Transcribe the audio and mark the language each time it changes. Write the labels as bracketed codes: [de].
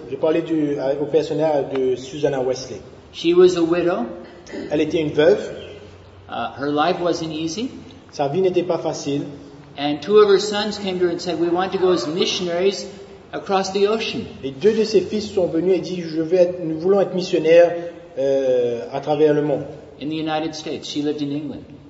[fr] J'ai parlé au personnel de Susanna Wesley. [en] She was a widow. [fr] Elle était une veuve. [en] Her life wasn't easy. [fr] Sa vie n'était pas facile. [en] And two of her sons came to her and said, "We want to go as missionaries across the ocean." [fr] Et deux de ses fils sont venus et disent, nous voulons être missionnaires à travers le monde. [en] In the United States, she lived in England.